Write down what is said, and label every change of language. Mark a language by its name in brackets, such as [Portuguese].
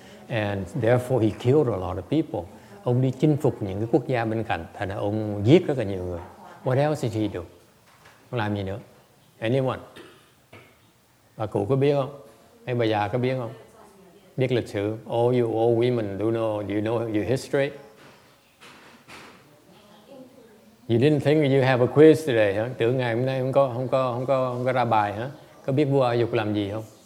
[English] And therefore he killed a lot of people. [Vietnamese] Ông đi chinh phục những cái quốc gia bên cạnh, thành ra ông giết rất là nhiều người. [English] What else did he do? [Vietnamese] Ông làm gì nữa? [English] Anyone? [Vietnamese] Bà cụ có biết không? Hay bà già có biết không? Biết lịch sử. [English] All you old women do know. Do you know your history? You didn't think you have a quiz today, huh? [Vietnamese] Tưởng ngày hôm nay không có ra bài, hả? Có biết vua Ayub làm gì không?